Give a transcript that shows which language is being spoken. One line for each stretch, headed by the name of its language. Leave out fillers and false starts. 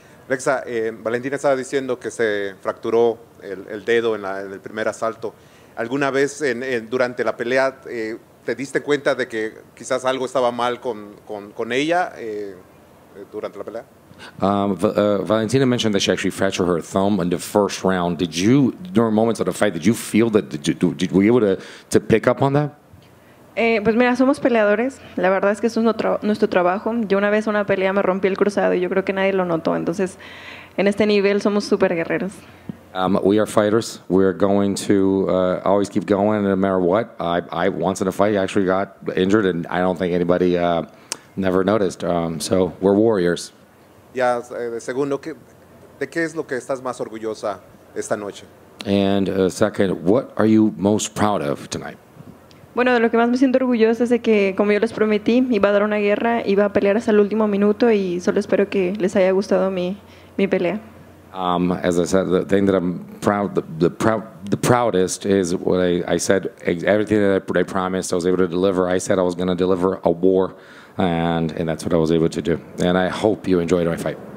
Spanish: Alexa, Valentina estaba diciendo que se fracturó el dedo en el primer asalto. ¿Alguna vez durante la pelea te diste cuenta de que quizás algo estaba mal con ella durante la pelea?
English: Valentina mentioned that she actually fractured her thumb in the first round. Did you, during moments of the fight, did you feel that, were you able to pick up on that?
Spanish: Pues mira, somos peleadores. La verdad es que eso es nuestro trabajo. Yo una vez en una pelea me rompí el cruzado y yo creo que nadie lo notó. Entonces, en este nivel somos super guerreros.
English: We are fighters. We're going to always keep going no matter what. I once in a fight actually got injured and I don't think anybody never noticed. So, we're warriors.
Spanish: Ya, segundo, ¿de qué es lo que estás más orgullosa esta noche?
English: And second, what are you most proud of tonight?
Spanish: Bueno, de lo que más me siento orgullosa es de que, como yo les prometí, iba a dar una guerra, iba a pelear hasta el último minuto y solo espero que les haya gustado mi pelea.
English: As I said, the thing that I'm proud, the proudest is what I said, everything that I promised I was able to deliver. I said I was going to deliver a war and that's what I was able to do. And I hope you enjoyed my fight.